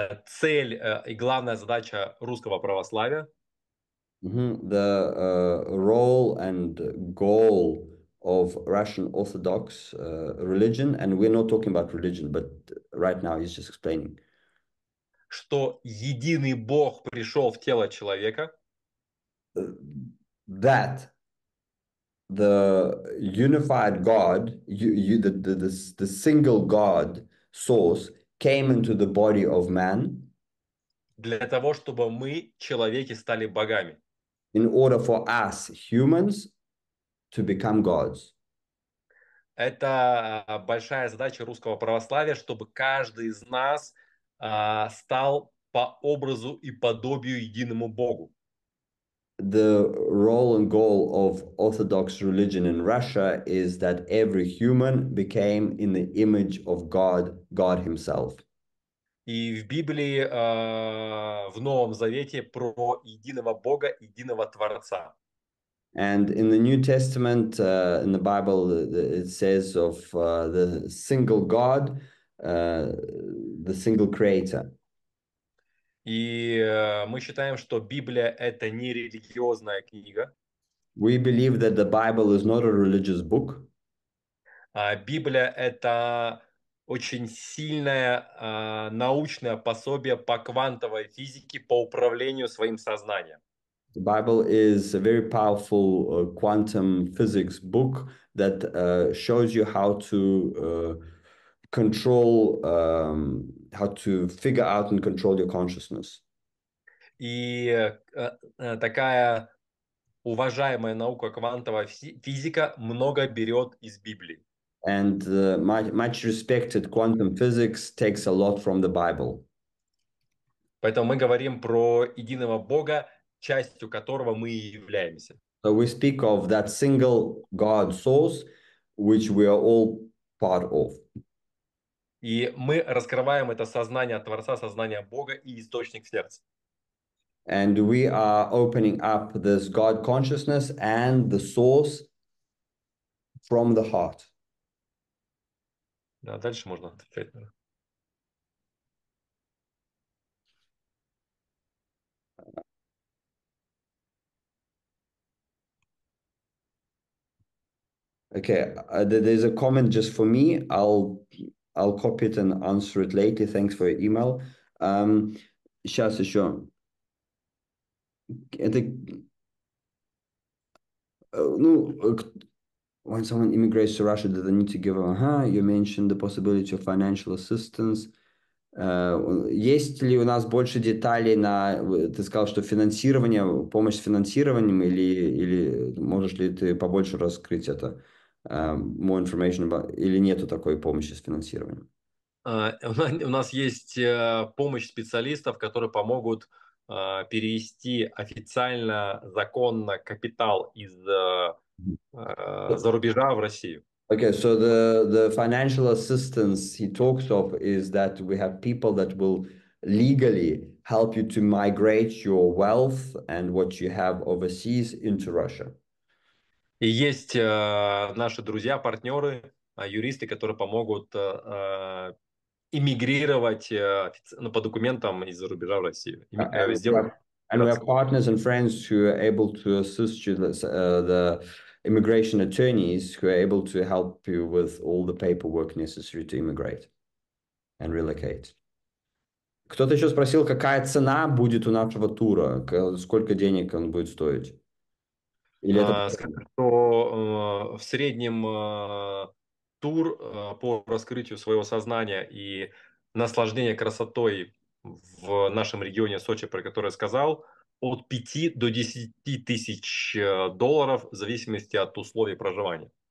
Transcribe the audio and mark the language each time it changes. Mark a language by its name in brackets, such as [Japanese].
[Russian] Цель и главная задача русского православия. [English] the role and goal of Russian Orthodox religion, and we're not talking about religion, but right now he's just explaining. [Russian] Что единый Бог пришел в тело человека. [English] That the unified God, the single God source came into the body of man [Russian] Для того, чтобы мы, человеки, стали богами. [English] in order for us humans to become gods. [Russian] Это большая задача русского православия, чтобы каждый из нас стал по образу и подобию единому Богу. [English] The role and goal of Orthodox religion in Russia is that every human became in the image of God, God Himself. [Russian] И в Библии, в Новом Завете про единого Бога, единого Творца. [English] And in the New Testament, in the Bible, it says of the single God, the single Creator. [Russian] И мы считаем, что Библия это не религиозная книга. [English] We believe that the Bible is not a religious book. [Russian] А Библия это очень сильное научное пособие по квантовой физике, по управлению своим сознанием. [English] The Bible is a very powerful quantum physics book that shows you how to control, how to figure out and control your consciousness. [Russian] И такая уважаемая наука квантовая физика много берет из Библии. [English] And much respected quantum physics takes a lot from the Bible. [Russian] Поэтому мы говорим про единого Бога, частью которого мы и являемся. [English] So we speak of that single God source, which we are all part of. [Russian] И мы раскрываем это сознание Творца, сознание Бога и источник сердца. [English] And we are opening up this God consciousness and the source from the heart. [Russian] Да, дальше можно ответить. [English] Okay, there's a comment just for me. I'll copy it and answer it later. Thanks for your email. [Russian] Сейчас еще. Это, ну, [English] when someone immigrates to Russia, do they need to give a, you mentioned the possibility of financial assistance. [Russian] Есть ли у нас больше деталей на, ты сказал, что финансирование, помощь с финансированием, или можешь ли ты побольше раскрыть это? [English] More information about, [Russian] или нету такой помощи с финансированием? У нас есть помощь специалистов, которые помогут перевести официально, законно капитал из за рубежа в Россию. [English] Okay, so the financial assistance he talks of is that we have people that will legally help you to migrate your wealth and what you have overseas into Russia. [Russian] И есть наши друзья, партнеры, юристы, которые помогут иммигрировать по документам из-за рубежа в Россию. [English] And we have partners and friends who are able to assist you, the immigration attorneys who are able to help you with all the paperwork necessary to immigrate and relocate. [Russian] Кто-то еще спросил, какая цена будет у нашего тура, сколько денег он будет стоить? Или это... Скажу, что в среднем тур по раскрытию своего сознания и наслаждение красотой в нашем регионе Сочи, про который я сказал, от 5 до 10 тысяч долларов в зависимости от условий проживания.